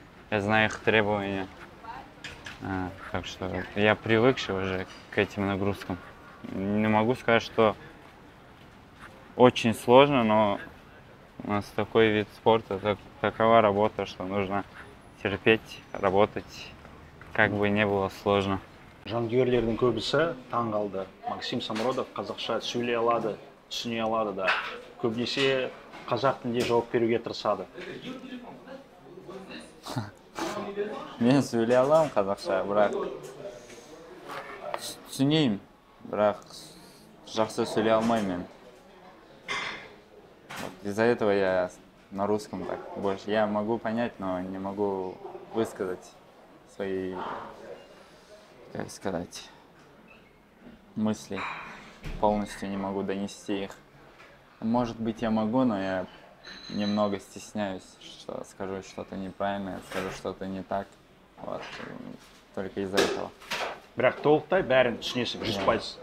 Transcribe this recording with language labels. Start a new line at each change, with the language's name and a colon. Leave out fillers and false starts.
Russian: Я знаю их требования. Так что я привыкший уже к этим нагрузкам. Не могу сказать, что очень сложно, но у нас такой вид спорта, такова работа, что нужно терпеть, работать, как бы не было сложно.
Kazakh: Жонглерлердің көбісі таң қалды. Максим Самородов қазақша сөйлей алады, түсіне алады да. Көбінесе қазақ тілінде жауап беруге тырысады. Мен сөйлей аламын қазақша, бірақ түсінейім, бірақ жақсы сөйлей алмаймын мен.
Russian: Из-за этого я на русском так больше. Я могу понять, но не могу высказать свои, как сказать, мысли. Полностью не могу донести их. Может быть, я могу, но я немного стесняюсь, что скажу что-то неправильное, скажу что-то не так. Вот. Только из-за этого.
Kazakh: Бірақ толықтай бәрін түсінесің, жүз пайыз.